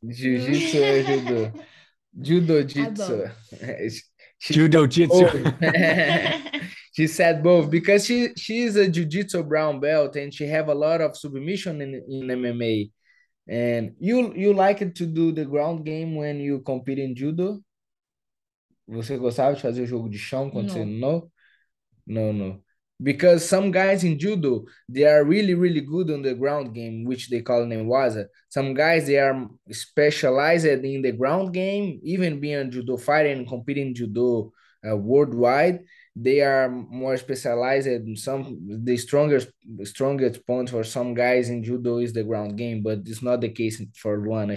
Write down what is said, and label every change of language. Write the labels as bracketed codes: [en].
[en] Jiu-jitsu or judo? Judo-jitsu. Judo-jitsu. She said both because she is a jiu-jitsu brown belt and she have a lot of submission in MMA. And you like it to do the ground game when you compete in judo? [pt] Você gostava de fazer o jogo de chão quando Não. você não? Não, não. [en] Because some guys in judo, they are really, really good on the ground game, which they call nemwaza. Some guys, they are specialized in the ground game, even being a judo fighter and competing in judo worldwide. They are more specialized in some, the strongest point for some guys in judo is the ground game, but it's not the case for Luana.